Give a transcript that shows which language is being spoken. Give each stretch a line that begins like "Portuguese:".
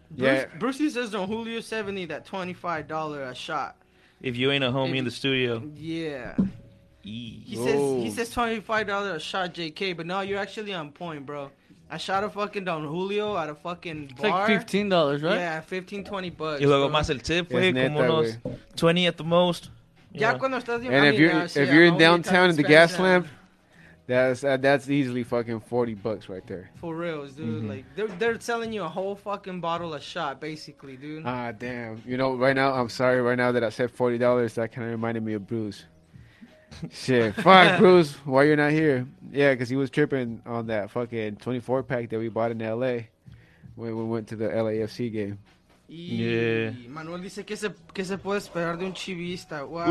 English: Yeah, Brucey says on Julio 70 that $25 a shot. If you ain't a homie in the studio, yeah. He says $25 a shot, JK, but no, you're actually on point, bro. I shot a fucking Don Julio at a fucking it's bar. It's like $15, right? Yeah, $15, $20.
Spanish: Y luego más el tip, güey, como unos 20
English: at the most.
Spanish: Yeah. Ya cuando estás
English: en if you're in downtown in the gas lamp, that's easily fucking $40 right there. For reals, dude. Mm-hmm. Like they're selling you a whole fucking bottle of shot, basically, dude. Ah, damn. You know, right now, I'm sorry, right now that I said $40, that kind of reminded me of Bruce. Shit, fuck, Bruce, why you're not here? Yeah, because he was tripping on that fucking 24 pack that we bought in LA when we went to the LAFC game. Yeah.
Spanish: Manuel dice que se puede esperar de un chivista.